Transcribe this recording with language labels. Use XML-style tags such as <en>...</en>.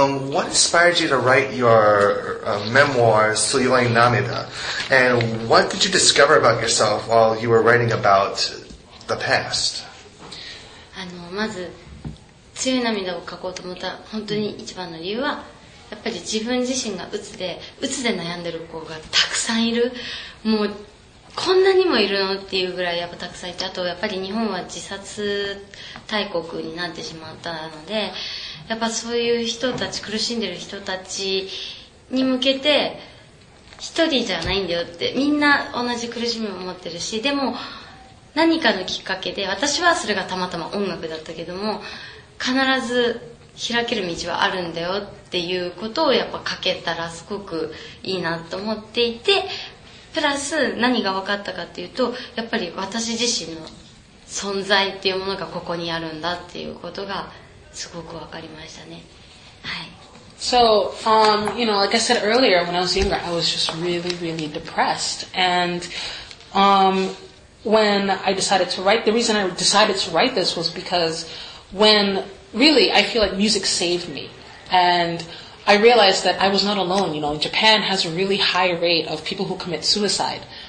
<en>What inspired you to write your memoir, Suyoi Namida? And what did you discover about yourself while you were writing about the past? First,</en> <ja>強い涙を書こうと思った本当に一番の理由は、やっぱり自分自身が鬱で悩んでる子がたくさんいる。もうこんなにもいるのっていうぐらいやっぱたくさんいて、あとやっぱり日本は自殺大国になってしまったので、やっぱそういう人たち、苦しんでる人たちに向けて、一人じゃないんだよって、みんな同じ苦しみを持ってるし、でも何かのきっかけで、私はそれがたまたま音楽だったけども、必ず開ける道はあるんだよっていうことをやっぱ書けたらすごくいいなと思っていて、プラス何が分かったかっていうと、やっぱり私自身の存在っていうものがここにあるんだっていうことがすごく分かりましたね。はい。</ja> <en>So, you know, like I said earlier, when I was younger, I was just really, really depressed. And when I decided to write, the reason I decided to write this was because when, really, I feel like music saved me. And I realized that I was not alone. You know, Japan has a really high rate of people who commit suicide.</en>